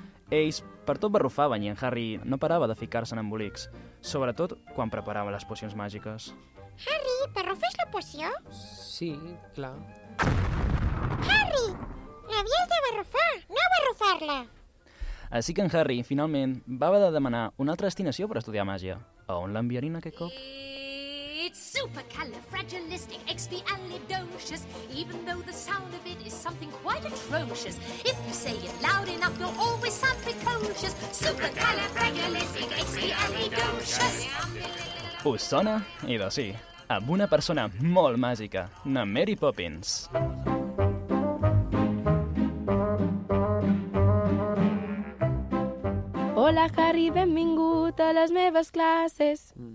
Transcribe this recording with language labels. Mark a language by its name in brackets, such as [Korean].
[Catalan] Ells per tot barrufaven i en Harry no parava de ficar-se en embolics, sobretot quan preparava les pocions màgiques. Harry, barrufes la poció? Sí, clar. Harry, l'havies de barrufar, no barrufar-la. Així que en Harry, finalment, va haver de demanar una altra destinació per estudiar màgia. A on l'enviarin aquest cop? [English] It's supercalifragilistic, expialidocious, even though the sound of it is something quite atrocious. If you say it loud enough, you'll always sound precocious. Supercalifragilistic, expialidocious. [Catalan] Us sona? I doncs sí, amb una persona molt màgica, na Mary Poppins. Hola, Harry, benvingut a les meves classes.